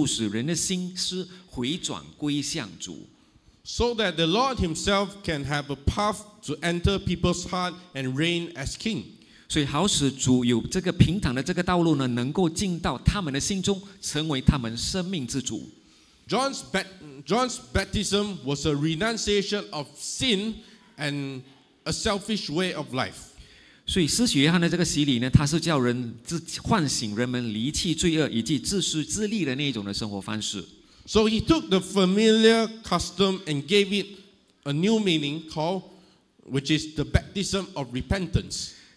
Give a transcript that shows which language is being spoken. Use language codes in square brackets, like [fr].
[zh] 所以当这里我们讲到预备主的道，修直他的路的时候，就是指明是约翰的任务，就是替主铺路，促使人的心思回转归向主。 [en] So that the Lord himself can have a path to enter people's heart and reign as king. [zh] 所以好使主有这个平坦的这个道路呢，能够进到他们的心中，成为他们生命之主。 [en] John's baptism was a renunciation of sin and a selfish way of life. [zh] 所以施洗约翰的这个洗礼呢，他是叫人唤醒人们离弃罪恶以及自私自利的那种的生活方式。So [en] he took the familiar custom and gave it a new meaning called, which is the baptism of repentance.